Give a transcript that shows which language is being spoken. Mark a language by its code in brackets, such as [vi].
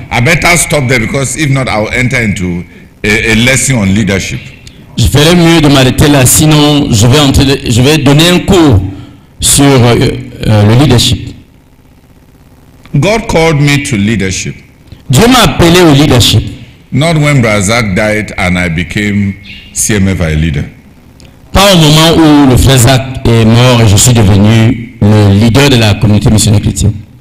[en] I better stop there because if not, I'll enter into a lesson on leadership. [fr] Je ferais mieux de m'arrêter là, sinon je vais donner un cours sur le leadership. [en] God called me to leadership. [fr] Dieu m'a appelé au leadership. [en] Not when Brazak died and I became CMFI leader. [fr] Pas au moment où le frère Zach est mort et je suis devenu le leader de la communauté missionnaire chrétienne.